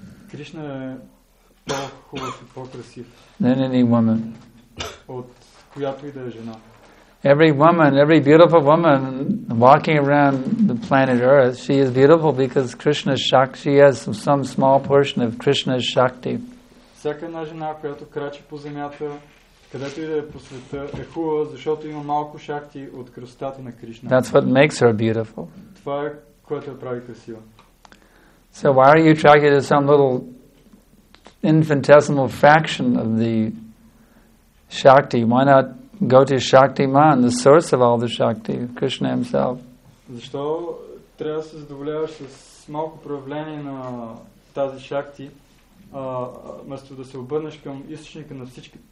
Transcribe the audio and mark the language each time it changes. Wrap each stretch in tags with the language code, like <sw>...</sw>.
<bg>Krishna е по-хубав и по-красив.</bg> <en>Than any woman.</en> <bg>От която и да е жена.</bg> <en>Every woman, every beautiful woman walking around the planet Earth, she is beautiful because Krishna's Shakti, she has some small portion of Krishna's Shakti.</en> <bg>Всяка една жена, която крачи по земята, където и да е по света, е хубава, защото има малко шакти от красотата на Кришна.</bg> <en>That's what makes her beautiful.</en> <bg>Това е което я прави красива.</bg> <en>So why are you attracted to some little infinitesimal fraction of the Shakti? Why not go to Shakti Man, the source of all the Shakti, Krishna himself?</en> <bg>Защо трябва да се задоволяваш с малко проявление на тази Шакти, вместо да се обърнеш към източника на всички?</bg>